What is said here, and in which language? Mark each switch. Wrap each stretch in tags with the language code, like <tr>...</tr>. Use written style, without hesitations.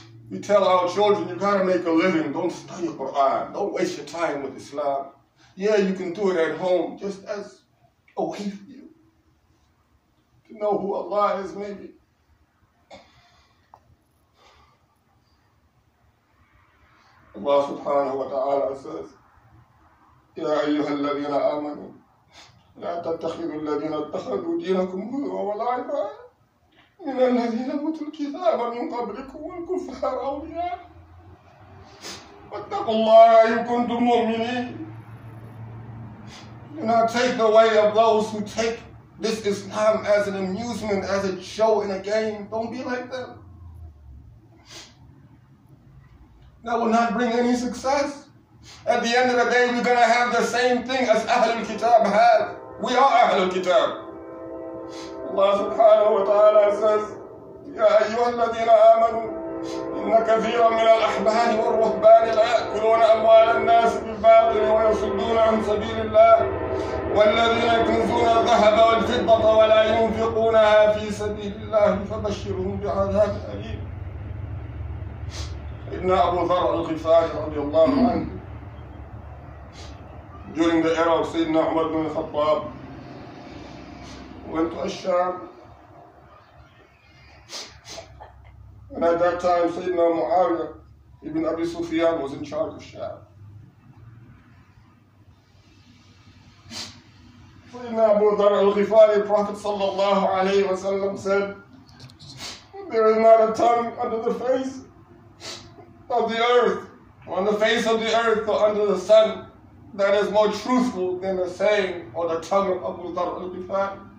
<en>We tell our children, you gotta make a living. Don't study the Quran. Don't waste your time with Islam. Yeah, you can do it at home, just as a way for you to know who Allah is, maybe. Allah subhanahu wa ta'ala says,</en> <ar>يا أيها الذين آمنوا لا تتخذوا الذين اتخذوا دينكم هزوا ولعبا من الذين أوتوا الكتاب من قبلكم والكفار أولياء واتقوا الله إن كنتم مؤمنين.</ar> <en>Do not take the way of those who take this Islam as an amusement, as a show in a game. Don't be like them. That will not bring any success. At the end of the day, we're going to have the same thing as Ahlul Kitab had. We are Ahlul Kitab. Allah subhanahu wa ta'ala says,</en> <ar>Ya ayyuha alladhina amanu, inna kathira min al-ahbani wa al-ruhbani la'akuluna amwal al-nas bil-baqili wa yasudduna an sabilillah. والذين يكنزون الذهب والفضة ولا ينفقونها في سبيل الله فبشرهم بعذاب أليم. إن أبو ذر الغفاري رضي الله عنه</ar> <en>during the era of سيدنا عمر بن الخطاب went to الشام, and at that time سيدنا معاوية ابن أبي سفيان was in charge of الشام. Sayyidina Abu Dhar al-Ghifari, Prophet sallallahu alayhi wa sallam said, there is not a tongue under the face of the earth, or on the face of the earth, or under the sun, that is more truthful than the saying or the tongue of Abu Dhar al-Ghifari.</en>